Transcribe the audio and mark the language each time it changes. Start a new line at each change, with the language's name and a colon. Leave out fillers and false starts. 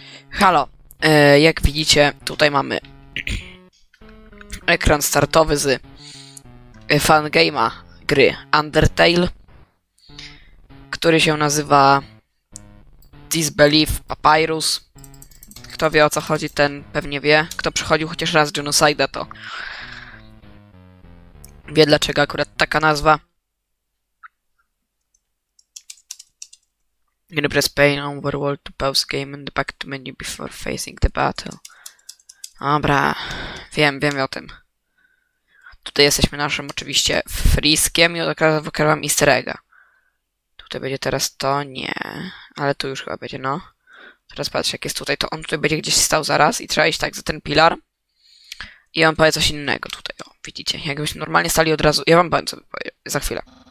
Polish: Halo, jak widzicie, tutaj mamy ekran startowy z fangame'a gry Undertale, który się nazywa Disbelief Papyrus. Kto wie, o co chodzi, ten pewnie wie. Kto przychodził chociaż raz Genocide'a, to wie, dlaczego akurat taka nazwa.
English: Gonna press pain on overworld to pause game and back to menu before facing the battle.
Polish: Dobra, wiem o tym. Tutaj jesteśmy naszym oczywiście friskiem i od razu wykrywam easter egga. Tutaj będzie teraz to? Nie. Ale tu już chyba będzie, no. Teraz patrz, jak jest tutaj, to on tutaj będzie gdzieś stał zaraz i trzeba iść tak za ten pilar. I on powie coś innego tutaj, o, widzicie. Jakbyśmy normalnie stali od razu, ja wam powiem co powiem za chwilę.